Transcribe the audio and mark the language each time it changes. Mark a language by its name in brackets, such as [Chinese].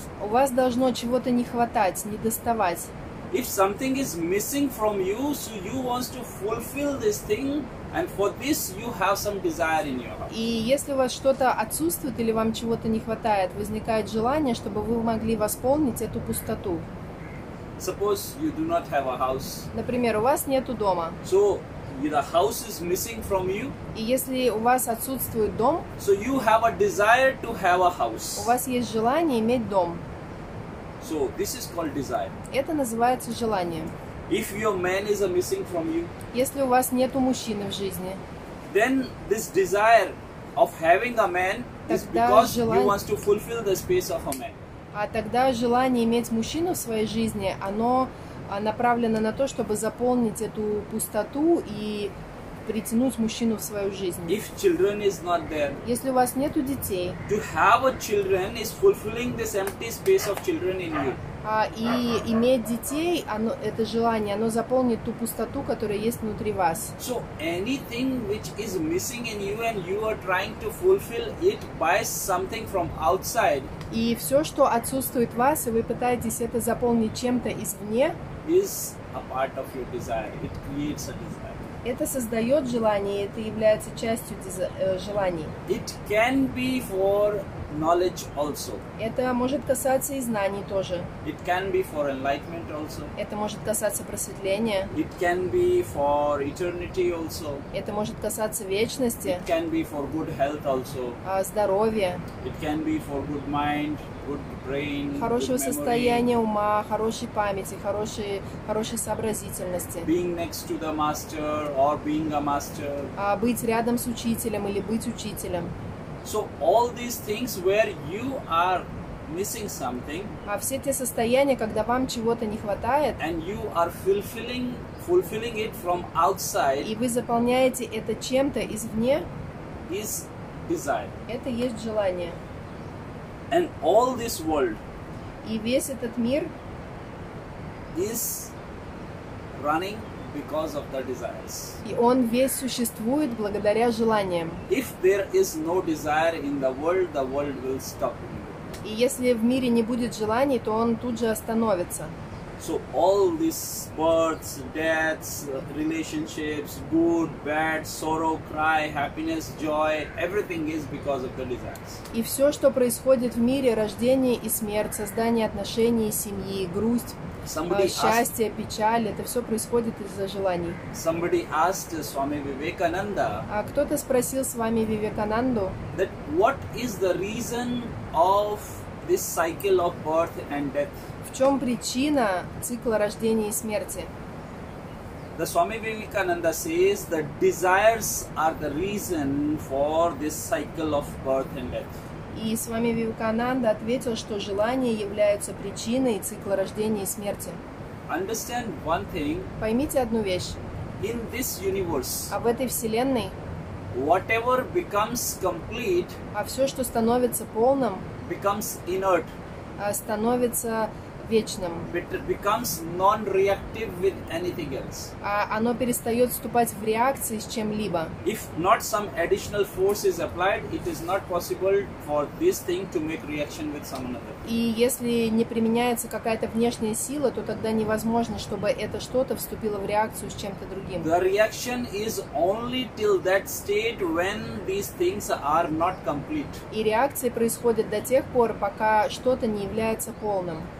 [Russian] У вас должно чего-то не хватать, не доставать. [English] If something is missing from you, so you want to fulfill this thing, and for this you have some desire in your heart. [Russian] И если у вас что-то отсутствует или вам чего-то не хватает, возникает желание, чтобы вы могли восполнить эту пустоту. [English] Suppose you do not have a house. [Russian] Например, у вас нету дома. [English] So the house is missing from you. [Russian] И если у вас отсутствует дом, [English] so you have a desire to have a house. [Russian] У вас есть желание иметь дом. [English] So this is called desire. [Russian] Это называется желание. [English] If your man is a missing from you, [Russian] если у вас нету мужчины в жизни, [English] then this desire of having a man is because you want to fulfill the space of a man. [Russian] А тогда желание иметь мужчину в своей жизни, оно направлено на то, чтобы заполнить эту пустоту и притянуть мужчину в свою жизнь. [English] If children is not there, [Russian] если у вас нету детей, [English] to have children is fulfilling this empty space of children in you. [Russian] И иметь детей, оно, это желание, оно заполнит ту пустоту, которая есть внутри вас. [English] So anything which is missing in you and you are trying to fulfill it by something from outside. [Russian] И все, что отсутствует в вас, и вы пытаетесь это заполнить чем-то извне, [English] is a part of your desire. It creates a desire. [Russian] Это создает желание, это является частью желаний. [English] It can be for knowledge also. [Russian] Это может касаться и знаний тоже. [English] It can be for enlightenment also. [Russian] Это может касаться просветления. [English] It can be for eternity also. [Russian] Это может касаться вечности. [English] It can be for good health also. [Russian] Здоровье. [English] It can be for good mind, good brain, [Russian] хорошего [English] good [Russian] состояния ума, хорошей памяти, хорошей сообразительности. [English] Being next to the master or being a master. [Russian] Быть рядом с учителем или быть учителем. [English] So all these things where you are missing something. [Russian] А все те состояния, когда вам чего-то не хватает. [English] And you are fulfilling it from outside. [Russian] И вы заполняете это чем-то извне. [English] Is desire. [Russian] Это есть желание. [English] And all this world. [Russian] И весь этот мир. [English] Is running. Because of the desires. [Russian] И он весь существует благодаря желаниям. [English] If there is no desire in the world will stop. [Russian] И если в мире не будет желаний, то он тут же остановится. [English] So all these births, deaths, relationships, good, bad, sorrow, cry, happiness, joy, everything is because of the desires. [Russian] И все, что происходит в мире, рождение и смерть, создание отношений, семьи, грусть. Счастье, печаль, это все происходит из-за желаний. [English] Somebody asked Swami Vivekananda. [Russian] А кто-то спросил Свами Вивекананду. [English] That what is the reason of this cycle of birth and death? [Russian] В чем причина цикла рождения и смерти? [English] The Swami Vivekananda says the desires are the reason for this cycle of birth and death. [Russian] И Свами Вивекананда ответил, что желания являются причиной цикла рождения и смерти. [English] Understand one thing. [Russian] Поймите одну вещь. [English] In this universe, [Russian] а в этой вселенной, [English] whatever becomes complete, [Russian] а все, что становится полным, [English] becomes inert, [Russian] становится вечным, [English] becomes non-reactive with anything else. [Russian] А оно перестает вступать в реакции с чем-либо. [English] If not some additional force is applied, it is not possible for this thing to make reaction with some another. [Russian] И если не применяется какая-то внешняя сила, то тогда невозможно, чтобы это что-то вступило в реакцию с чем-то другим. [English] The reaction is only till that state when these things are not complete. [Russian] И реакции происходят до тех пор, пока что-то не является полным.